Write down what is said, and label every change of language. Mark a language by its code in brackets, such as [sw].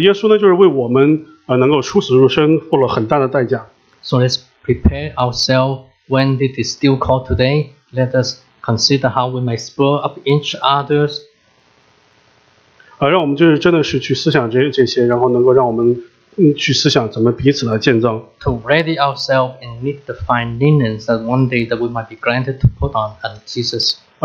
[zh] 耶稣呢，就是为我们能够出死入生付了很大的代价。 [en] So let's prepare ourselves when it is still called today. Let us consider how we may spur up each other's. [zh] 让我们就是真的是去思想这些，然后能够让我们。 [en] To ready ourselves and meet the fine linen that one day that we might be granted to put on at Jesus.